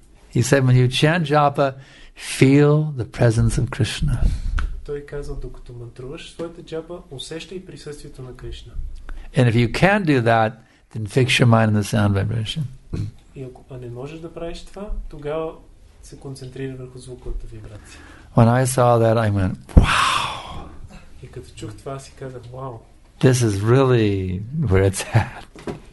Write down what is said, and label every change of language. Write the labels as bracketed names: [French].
[English] He said, when you chant japa, feel the presence of Krishna. [Bulgarian] Той казва, докато мантруваш своята джапа, усещай присъствието на Кришна. [English] And if you can't do that, then fix your mind on the sound vibration. [Bulgarian] И ако не можеш да правиш това, тогава се концентрира върху звуковата вибрация. [English] When I saw that, I went, wow! [Bulgarian] И като чух това, си казах, wow! [English] This is really where it's at.